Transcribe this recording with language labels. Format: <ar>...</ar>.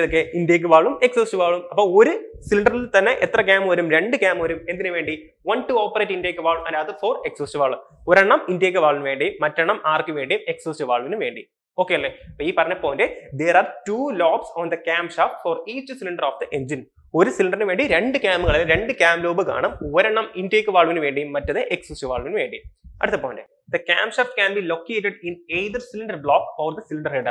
<ml>ഇതൊക്കെ intake വാൾവും exhaust വാൾവും. അപ്പൊ ഒരു സിലിണ്ടറിൽ തന്നെ എത്ര ക്യാം വരും? 2 ക്യാം വരും. എന്തിനു വേണ്ടി?</ml> <en>1 to operate intake valve and other for exhaust valve.</en> <ml>ഒരെണ്ണം ഇൻടേക്ക് വാൾവിന് വേണ്ടി, മറ്റെണ്ണം ആർക്ക് വേണ്ടി? എക്സോസ്റ്റ് വാൾവിന് വേണ്ടി. ഓക്കെ അല്ലേ. അപ്പൊ ഈ പറഞ്ഞ point,</ml> <en>There are two lobes on the camshaft for each cylinder of the engine.</en> <ml>ഒരു സിലിണ്ടറിന് വേണ്ടി 2 ക്യാമുകൾ, അതായത് 2 ക്യാം ലോബ് കാണും. ഒരെണ്ണം ഇൻടേക്ക് വാൾവിന് വേണ്ടിയും മറ്റത് എക്സോസ്റ്റ് വാൾവിന് വേണ്ടി. അടുത്ത point,</ml> <en>The camshaft can be located in either cylinder block or the cylinder head.</en>